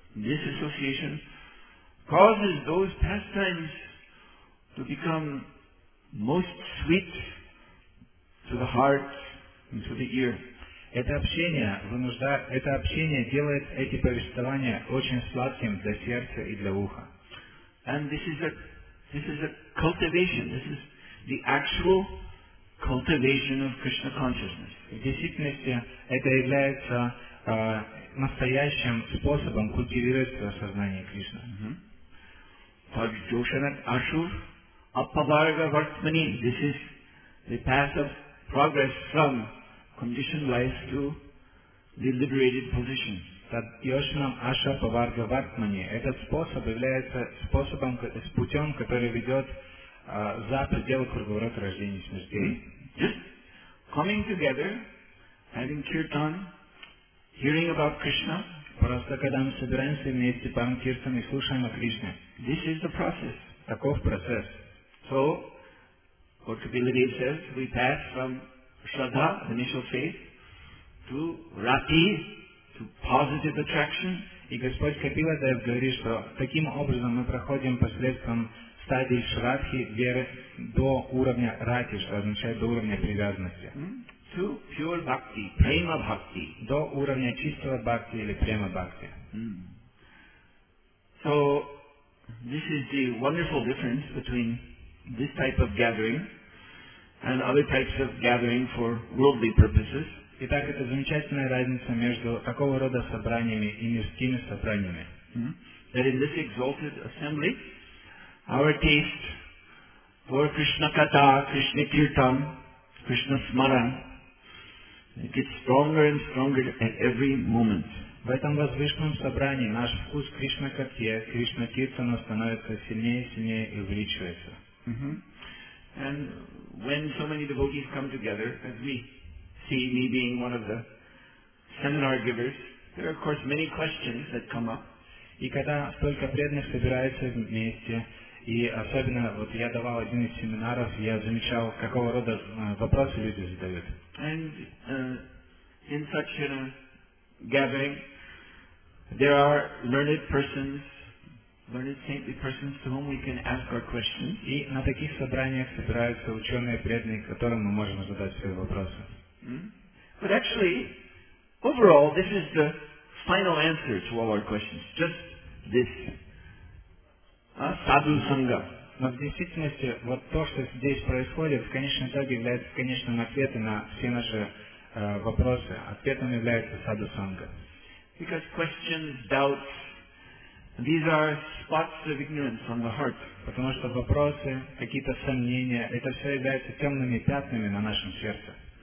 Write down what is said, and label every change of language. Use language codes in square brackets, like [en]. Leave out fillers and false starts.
[en] This association causes those pastimes to become most sweet to the heart and to the ear. [ru] Это общение делает эти повествования очень сладким для сердца и для уха. [en] And this is a cultivation. This is the actual cultivation of Krishna consciousness. [ru] В действительности это является настоящим способом культивировать сознание Кришны. [sa] Так Джошанат Ашур Аппаварга Вартмани. [en] This is the path of progress from conditioned life to the liberated position. [sa] Так Джошанат Ашур Аппаварга Вартмани. [ru] Этот способ является способом, путем, который ведет за пределы круговорота рождения и смерти. [en] Just coming together, having kirtan, hearing about Krishna. [ru] Просто когда мы собираемся вместе, парам киртан и слушаем о Кришне. [en] This is the process. [ru] Таков процесс. [en] So, what Kapilade says, we pass from shraddha, initial faith, to rati, to positive attraction. [ru] И Господь Капиладев говорит, что таким образом мы проходим посредством стадии шрадхи веры до уровня рати, что означает до уровня привязанности. [en] To pure bhakti, prema bhakti. [ru] До уровня чистого бхакти или према бхакти. [en] So, this is the wonderful difference between this type of gathering and other types of gathering for worldly purposes. [ru] Итак, это замечательная разница между такого рода собраниями и мирскими собраниями. [en] That in this exalted assembly, our taste for Krishna Katha, Krishna Kirtan, Krishna Smaran, it gets stronger and stronger at every moment. [ru] В этом возвышенном собрании наш вкус Кришна Катхе, Кришна Киртана становится сильнее и сильнее и увеличивается. [en] And when so many devotees come together, as we see me being one of the seminar givers, there are of course many questions that come up. [ru] И когда столько преданных собирается вместе, и особенно вот я давал один из семинаров, я замечал, какого рода вопросы люди задают. [en] And in such a gathering, there are learned persons, learned saintly persons to whom we can ask our questions. [ru] И на таких собраниях собираются ученые, преданные, которым мы можем задать свои вопросы. [en] But actually, overall, this is the final answer to all our questions. Just this. Sadhu Sangha. [ru] Но в действительности, вот то, что здесь происходит, в конечном итоге является конечным ответом на все наши вопросы. Ответом является Саду Санга. [en] Because questions, doubts, these are spots of ignorance on the heart. [ru] Потому что вопросы, какие-то сомнения, это все является темными пятнами на нашем сердце.